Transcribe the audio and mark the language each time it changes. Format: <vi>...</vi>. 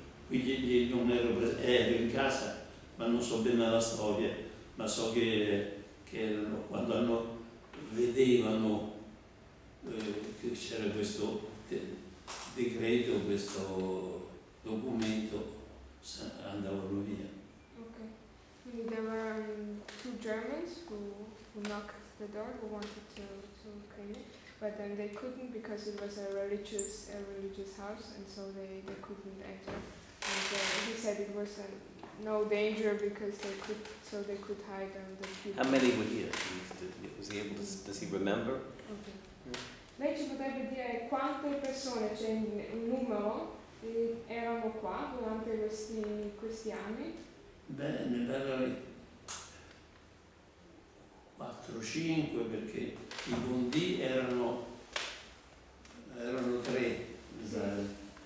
<it>Quindi non ero, ero in casa, ma non so bene la storia, ma so che erano, quando hanno, vedevano che c'era questo decreto, questo documento, andavano via.</it> <en>Ok, quindi there were two Germans who knocked the door, who wanted to come in, but then they couldn't because it was a religious house, and so they couldn't enter. And he said it was no danger because they could, so they could hide on the people. How many were here? Was he able to, does he remember? Okay.</en> <it>Lei ci potrebbe dire quante persone, c'è un numero, erano qua durante questi anni? Beh, ne parlavi 4-5 perché i Bondi erano tre. Sì.</it>